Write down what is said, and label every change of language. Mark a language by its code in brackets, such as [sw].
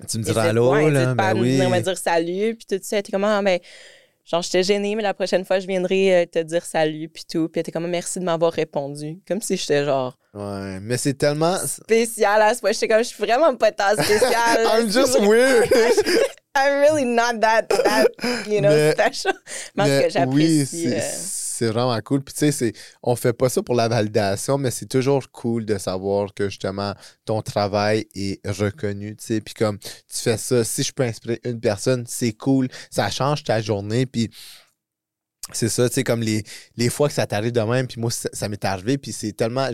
[fr] Tu me diras allô, là, ben oui. Me dire salut, puis tout ça. Elle était comme, ah, ben... Genre, j'étais gênée, mais la prochaine fois, je viendrai te dire salut, puis tout. Puis elle était comme, merci de m'avoir répondu. Comme si j'étais genre... Ouais, mais c'est tellement... Spécial à ce point. J'étais comme, je suis vraiment pas tant spécial. [en] I'm just weird. I'm really not that you know, [fr] mais, [en] special. [fr] Mais que j'apprécie. Oui, c'est vraiment cool. Puis tu sais, on fait pas ça pour la validation, mais c'est toujours cool de savoir que justement, ton travail est reconnu, tu sais. Puis comme, tu fais ça, si je peux inspirer une personne, c'est cool. Ça change ta journée, puis c'est ça, tu sais, comme les fois que ça t'arrive de même, puis moi, ça m'est arrivé, puis c'est tellement...